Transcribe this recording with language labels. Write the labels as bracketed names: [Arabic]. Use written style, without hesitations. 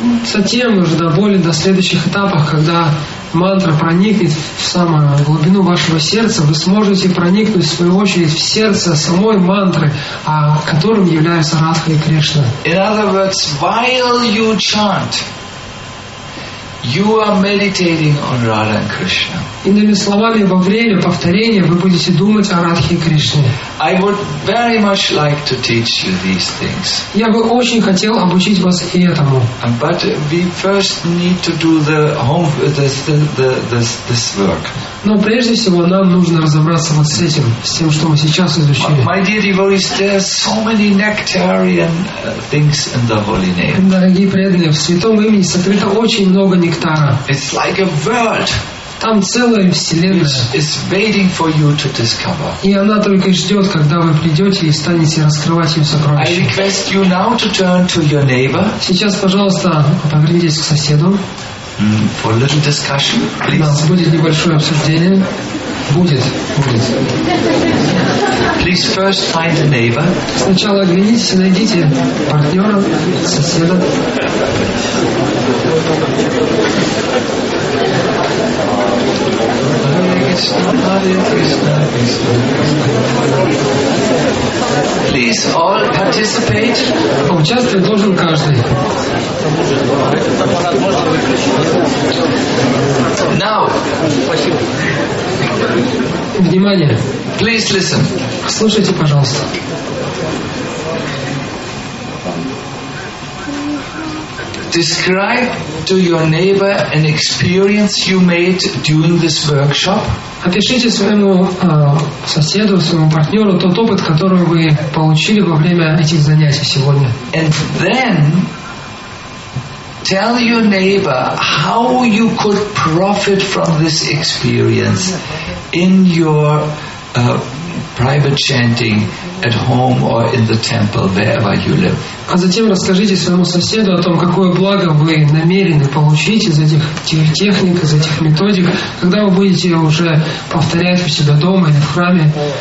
[Russian] Затем уже до более до следующих этапов, когда мантра проникнет в самую глубину вашего сердца, вы сможете проникнуть в свою очередь в сердце самой мантры, которым являются Радха и Кришна. [English] In other words, while you chant, you are meditating on Radha and Krishna. [Russian] Иными словами, во время повторения вы будете думать о Радхе и Кришне. [English] I would very much like to teach you these things. [Russian] Я бы очень хотел обучить вас и этому. [English] But we first need to do this work. [Russian] Но прежде всего нам нужно разобраться вот с этим, с тем, что мы сейчас изучили. [English] My dear devotees, there are so many nectarian things in the holy name. [Russian] Дорогие преданные, в святом имени сокрыто очень много нектара. [English] It's like a world. [Russian] Там целая вселенная. [English] It's waiting for you to discover. [Russian] И она только ждет, когда вы придете и станете раскрывать ее сокровища. [English] I request you now to turn to your neighbor. [Russian] Сейчас, пожалуйста, повернитесь к соседу. [English] For a little discussion, please. [Russian] У нас будет небольшое обсуждение. Будет, будет. [English] Please first find a neighbor. [Russian] Сначала оглянитесь и найдите партнера, соседа. [English] Please all participate. [Russian] Участвовать должен каждый. [English] Now. [Russian] Внимание. [English] Please listen. [Russian] Слушайте, пожалуйста. [English] Describe to your neighbor an experience you made during this workshop. [Russian] Опишите своему соседу, своему партнеру тот опыт, который вы получили во время этих занятий сегодня. [English] And then tell your neighbor how you could profit from this experience in your private chanting at home or in the temple, wherever you live. [Russian] А затем расскажите своему соседу о том, какое благо вы намерены получить из этих техник, из этих методик, когда вы будете уже повторять у себя дома или в храме.